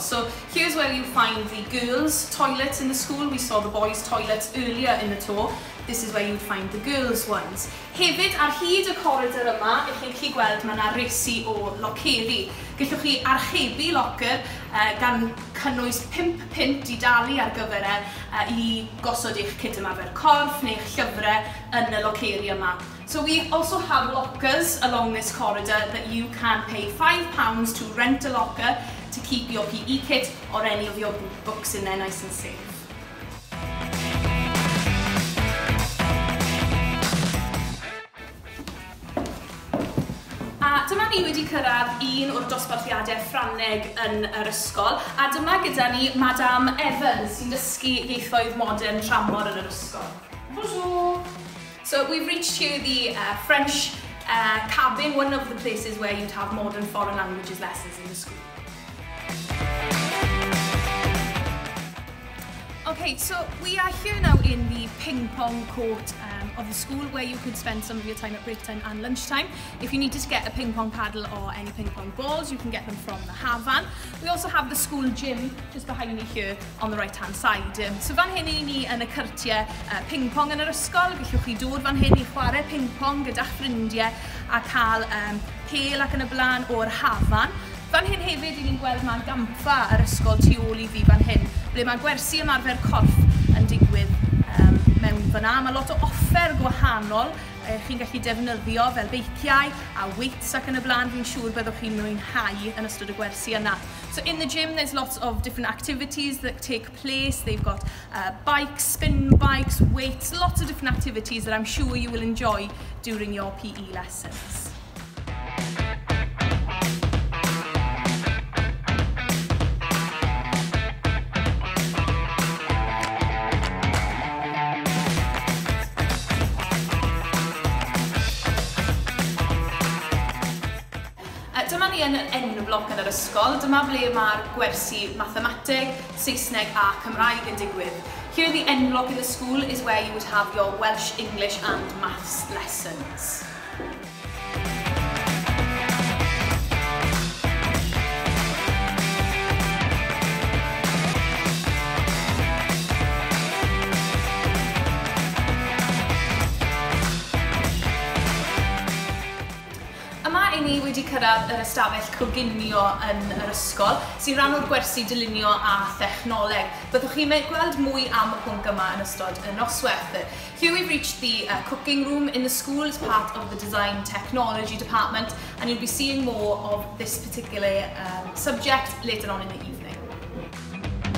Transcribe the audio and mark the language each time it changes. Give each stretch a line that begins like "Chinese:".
English: So, here's where you find the girls' toilets in the school. We saw the boys' toilets earlier in the tour. This is where you find the girls' ones.
Welsh: Hefyd, ar hyd y corridor yma, ychydig chi gweld mae yna resi o locheri. Gallwch chi archebu locker gan cynnwys 5 pint I dalu ar gyfer I gosod eich cydymaber corff neu'ch llyfrau yn y locheri yma.
English: So we also have lockers along this corridor that you can pay £5 to rent a locker to keep your PE kit or any of your books in there nice and safe.
Welsh: Dyma ni wedi cyrraedd un o'r dosbarthiadau Ffrangeg yn yr ysgol a dyma gyda ni Madame Evans sy'n dysgu ieithoedd modern tramor yn yr ysgol.
French: Bonjour!
English: So we've reached here the French cabin, one of the places where you'd have modern foreign languages lessons in the school. Okay, so we are here now in the ping pong court of the school where you could spend some of your time at break time and lunchtime. If you need to get a ping pong paddle or any ping pong balls, you can get them from the Havan. We also have the school gym just behind me here on the right hand side.
Welsh: So fan hyn ni yn y cyrtiau ping pong yn yr ysgol. Gallwch chi dod fan hyn I chwarae ping pong gyda'ch ffrindiau a cael pêl ac yn y blaen o'r Havan. Fan hyn hefyd I ni'n gweld mae'r gampfa yr ysgol tu ôl I fi fan hyn, ble mae gwersi ymarfer corff yn digwydd mewn fyna. Mae lot o offer gwahanol chi'n gallu defnyddio fel beiciau a weights ac yn y blaen, fi'n siŵr byddwch chi'n mwynhau yn ystod y gwersi yna.
English: So in the gym there's lots of different activities that take place. They've got bikes, spin bikes, weights, lots of different activities that I'm sure you will enjoy during your PE lessons.
Welsh: Yn yr enfloc yn yr ysgol, dyma ble mae'r gwersi mathemateg, Saesneg a Cymraeg yn digwydd.
English: Here the enfloc in the school is where you would have your Welsh, English and Maths lessons.
Welsh: Ni wedi cyrraedd yr ystafell coginio yn yr ysgol sy'n rhan o'r gwersi dylunio a thechnoleg. Byddwch chi'n gweld mwy am y pwnc yma yn ystod y noswerth.
English: Here we've reached the cooking room in the school as part of the design technology department and you'll be seeing more of this particular subject later on in the evening.